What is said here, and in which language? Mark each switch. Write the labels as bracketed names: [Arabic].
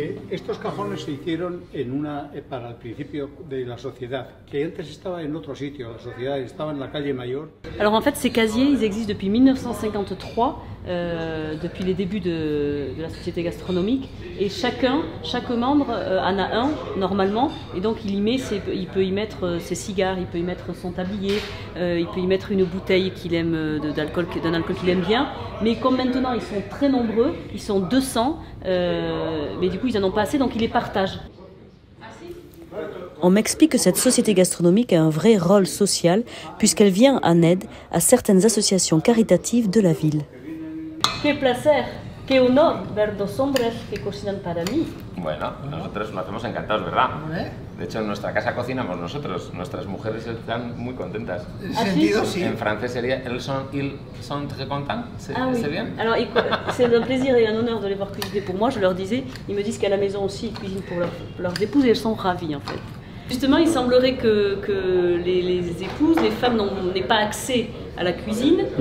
[Spanish] Estos cajones se hicieron en una para el principio de la sociedad, que antes estaba en otro sitio, la sociedad estaba en la calle Mayor. [French] Alors en fait, ces casiers, ils existent depuis 1953, depuis les débuts de la société gastronomique, et chaque membre en a un normalement, et donc il peut y mettre ses cigares, il peut y mettre son tablier, il peut y mettre une bouteille qu'il aime d'un alcool qu'il aime bien. Mais comme maintenant ils sont très nombreux, ils sont 200, mais du coup ils en ont pas assez, donc ils les partagent. On m'explique que cette société gastronomique a un vrai rôle social puisqu'elle vient en aide à certaines associations caritatives de la ville. [Spanish] Qué placer, qué honor ver dos hombres que cocinan para mí. Bueno, nosotros lo hacemos encantados, ¿verdad? De hecho, en nuestra casa cocinamos nosotros. Nuestras mujeres están muy contentas. ¿Sentido? Sí. En francés sería [French] ils sont très contents. C'est bien. Alors, c'est un plaisir et un honneur de les voir cuisiner pour moi. Je leur disais, ils me disent qu'à la maison aussi ils cuisinent pour leurs épouses et elles sont ravies en fait. Justement, il semblerait que les épouses, les femmes n'aient pas accès à la cuisine.